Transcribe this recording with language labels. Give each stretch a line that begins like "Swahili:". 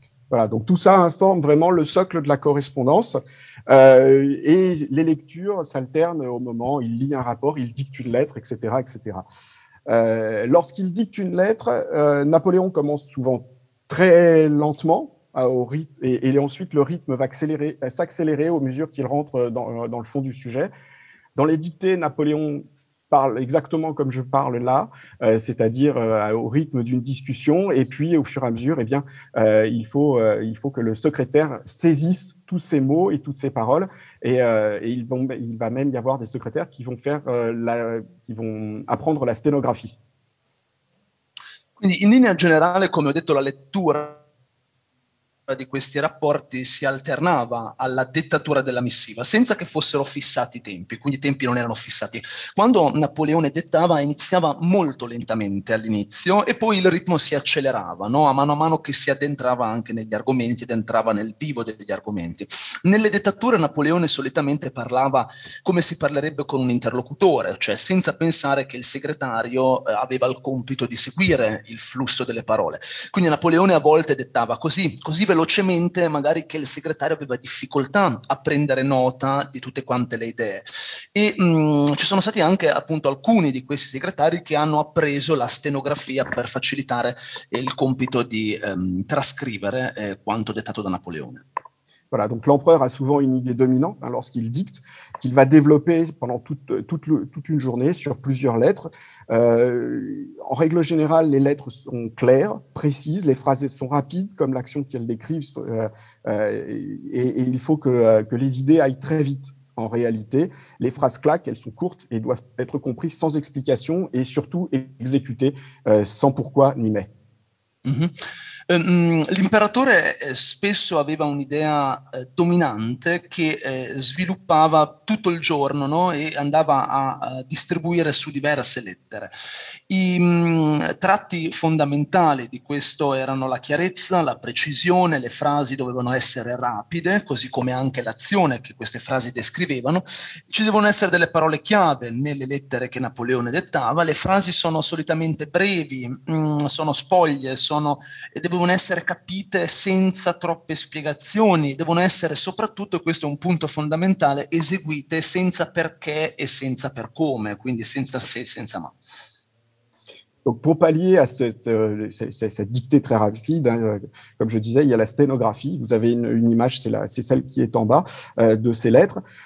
French: Voilà, donc tout ça informe vraiment le socle de la correspondance et les lectures s'alternent au moment, il lit un rapport, il dicte une lettre, etc. etc. Lorsqu'il dicte une lettre, Napoléon commence souvent très lentement au rythme, et ensuite le rythme va s'accélérer au mesure qu'il rentre dans le fond du sujet. Dans les dictées, Napoléon parle exactement comme je parle là, c'est-à-dire au rythme d'une discussion, et puis au fur et à mesure, il faut que le secrétaire saisisse tous ces mots et toutes ces paroles, et il va même y avoir des secrétaires qui vont apprendre la sténographie.
Italian: Quindi, in linea generale, come ho detto, la lettura di questi rapporti si alternava alla dettatura della missiva senza che fossero fissati i tempi, quindi i tempi non erano fissati. Quando Napoleone dettava iniziava molto lentamente all'inizio e poi il ritmo si accelerava, no? A mano che si addentrava anche negli argomenti ed entrava nel vivo degli argomenti. Nelle dettature Napoleone solitamente parlava come si parlerebbe con un interlocutore, cioè senza pensare che il segretario aveva il compito di seguire il flusso delle parole. Quindi Napoleone a volte dettava così velocemente magari che il segretario aveva difficoltà a prendere nota di tutte quante le idee. E ci sono stati anche appunto alcuni di questi segretari che hanno appreso la stenografia per facilitare il compito di trascrivere quanto dettato da Napoleone.
French: Voilà, donc l'empereur a souvent une idée dominante lorsqu'il dicte, qu'il va développer pendant toute une journée sur plusieurs lettres. En règle générale, les lettres sont claires, précises, les phrases sont rapides, comme l'action qu'elles décrivent, et il faut que les idées aillent très vite. En réalité, les phrases claquent, elles sont courtes et doivent être comprises sans explication et surtout exécutées sans pourquoi ni mais. Mm-hmm.
Italian: L'imperatore spesso aveva un'idea dominante che sviluppava tutto il giorno, no? E andava a distribuire su diverse lettere. I tratti fondamentali di questo erano la chiarezza, la precisione, le frasi dovevano essere rapide, così come anche l'azione che queste frasi descrivevano. Ci devono essere delle parole chiave nelle lettere che Napoleone dettava, le frasi sono solitamente brevi, sono spoglie, devono essere capite senza troppe spiegazioni, devono essere soprattutto, questo è un punto fondamentale, eseguite senza perché e senza per come, quindi senza se e senza ma.
French: Donc pour pallier à cette dictée très rapide, hein, comme je disais, il y a la sténographie. Vous avez une image, c'est celle qui est en bas de ces lettres.